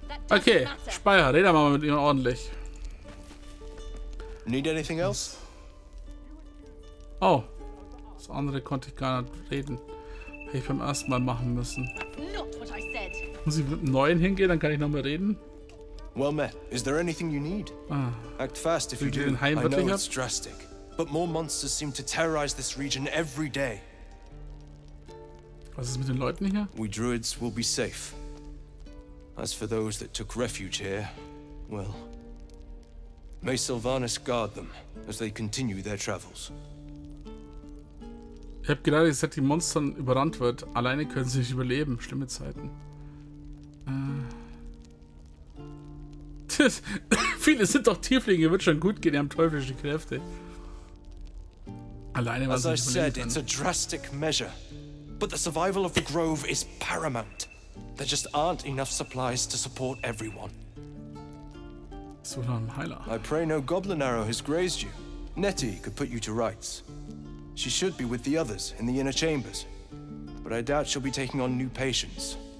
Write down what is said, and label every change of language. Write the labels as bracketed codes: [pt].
[de] Okay, Speicher, reden wir mal mit ihm ordentlich. [en] Need anything else? [de] Oh. Das andere konnte ich gar nicht reden. Hätte ich beim ersten Mal machen müssen. Muss ich mit einem neuen hingehen, dann kann ich nochmal reden. [en] Well met, is there anything you need? Ah. Act fast if you do. I know it's drastic. but more monsters seem to terrorize this region every day. [de] Was ist mit den Leuten hier? [en] We druids will be safe. As for those that took refuge here, well, may Sylvanas guard them as they continue their travels. [de] Ich hab gerade gesagt, die Monstern überrannt wird. Alleine können sie nicht überleben. Schlimme Zeiten. Viele sind doch Tieflinge, wird schon gut gehen, die haben teuflische Kräfte. Alleine was ich [en] said, it's a drastic measure. But the survival of the Grove is paramount. There just aren't enough supplies to support everyone. [de] So noch ein Heiler. [en] I pray no goblin arrow has grazed you. Nettie could put you to rights. She should be with the others in the inner chambers. But I doubt she'll be taking on new patients.